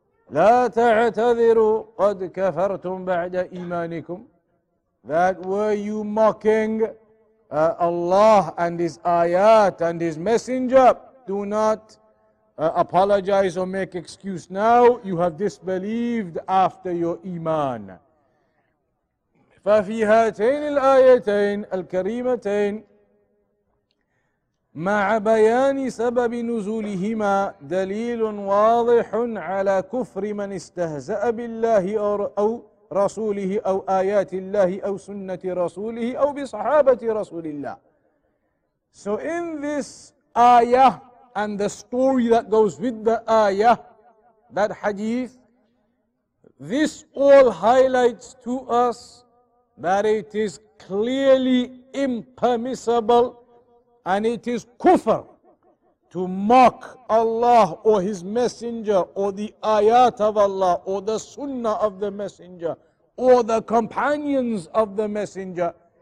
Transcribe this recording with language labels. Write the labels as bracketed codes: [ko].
[ar] لا تعتذروا قد كفرتم بعد إيمانكم. [en] That were you mocking Allah and His ayat and His messenger, do not apologize or make excuse now. You have disbelieved after your iman. [ar] ففي هاتين الآيتين الكريمتين مع بيان سبب نزولهما دليل واضح على كفر من استهزأ بالله أو رسوله أو آيات الله أو سنة رسوله أو بصحابة رسول الله. [en] So in this ayah and the story that goes with the ayah, that hadith, this all highlights to us that it is clearly impermissible and it is kufr to mock Allah or His Messenger or the ayat of Allah or the sunnah of the Messenger or the companions of the Messenger.